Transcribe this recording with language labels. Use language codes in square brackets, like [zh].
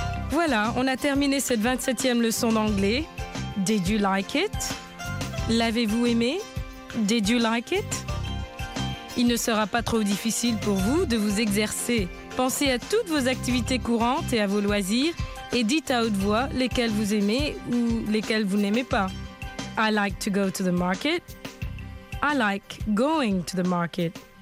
[fr] Voilà, on a terminé cette 27e leçon d'anglais. [en] Did you like it? [fr] L'avez-vous aimé? [en] Did you like it? [fr] Il ne sera pas trop difficile pour vous de vous exercer. Pensez à toutes vos activités courantes et à vos loisirs et dites à haute voix lesquelles vous aimez ou lesquelles vous n'aimez pas. [en] I like to go to the market. I like going to the market.